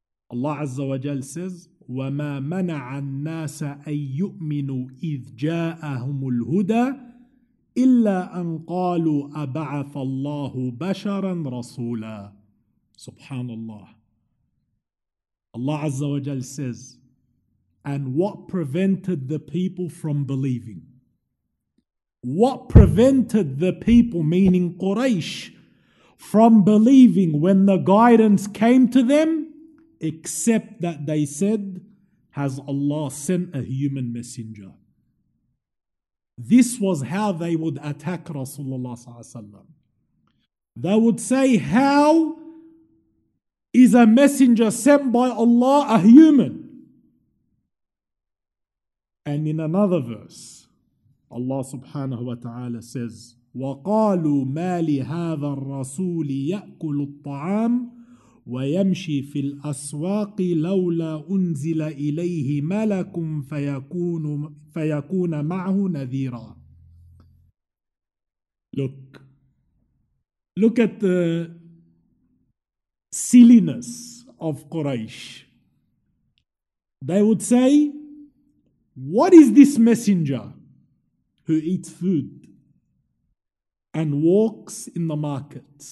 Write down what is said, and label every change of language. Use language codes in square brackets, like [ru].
[en] Allah azza wa jal says, [ar] وَمَا مَنَعَ النَّاسَ أَن يُؤْمِنُوا إِذْ جَاءَهُمُ الْهُدَى إِلَّا أَن قَالُوا أَبَعَثَ اللَّهُ بَشَرًا رَسُولًا. Subhanallah. [en] Allah azza wa jal says, and what prevented the people from believing? What prevented the people, meaning Quraysh, from believing when the guidance came to them, except that they said, has Allah sent a human messenger? This was how they would attack Rasulullah ﷺ. They would say, how is a messenger sent by Allah, a human. And in another verse, Allah subhanahu wa ta'ala says, [ar] وَقَالُوا مَا لِهَذَا الرَّسُولِ يَأْكُلُ الطَّعَامِ وَيَمْشِي فِي الْأَسْوَاقِ لَوْلَا أُنزِلَ إِلَيْهِ مَلَكٌ فَيَكُونَ مَعْهُ نَذِيرًا. [en] Look at the silliness of Quraysh. They would say, what is this messenger who eats food and walks in the market?